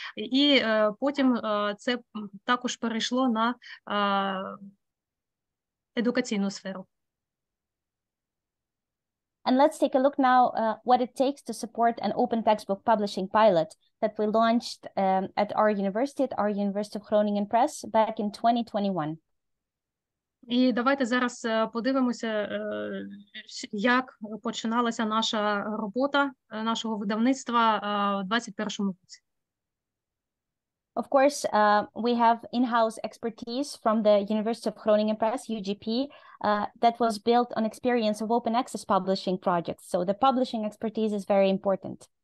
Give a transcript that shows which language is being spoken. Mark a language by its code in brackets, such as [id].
[uk] І потім це також перейшло на едукаційну сферу. [en] And let's take a look now what it takes to support an open textbook publishing pilot that we launched at our university of Groningen Press back in 2021. [uk] І давайте зараз подивимося, як починалася наша робота нашого видавництва в 21-му році. [en] Of course, we have in-house expertise from the University of Groningen Press, UGP, that was built on experience of open access publishing projects. So the publishing expertise is very important.